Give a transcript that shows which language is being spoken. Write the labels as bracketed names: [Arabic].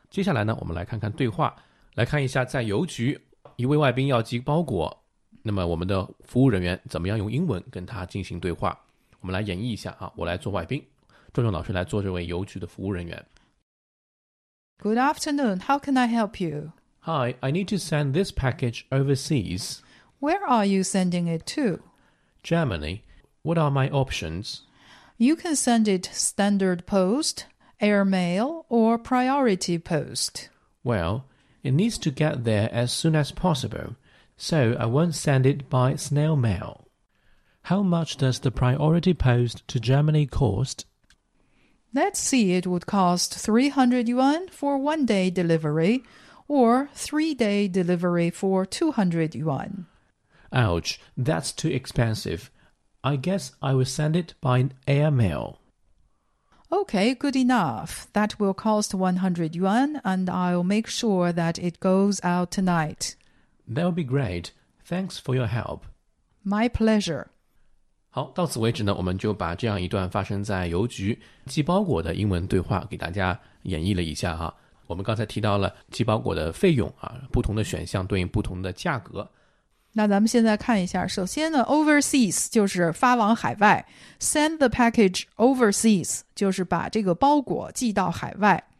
[Chinese] 接下来呢，我们来看看对话，来看一下在邮局，一位外宾要寄包裹，那么我们的服务人员怎么样用英文跟他进行对话？我们来演绎一下啊，我来做外宾，郑重老师来做这位邮局的服务人员。 [English] Good afternoon. How can I help you? Hi, I need to send this package overseas. Where are you sending it to? Germany. What are my options? You can send it standard post, airmail, or priority post. Well, it needs to get there as soon as possible, so I won't send it by snail mail. How much does the priority post to Germany cost? Let's see, it would cost 300 yuan for one-day delivery, or three-day delivery for 200 yuan. Ouch, that's too expensive. I guess I will send it by air mail. Okay, good enough. That will cost 100 yuan, and I'll make sure that it goes out tonight. That'll be great. Thanks for your help. My pleasure. [Chinese] 好，到此为止呢，我们就把这样一段发生在邮局寄包裹的英文对话给大家演绎了一下啊。我们刚才提到了寄包裹的费用啊，不同的选项对应不同的价格。那咱们现在看一下，首先呢 ，overseas 就是发往海外 ， [English] send the package overseas [Chinese] 就是把这个包裹寄到海外。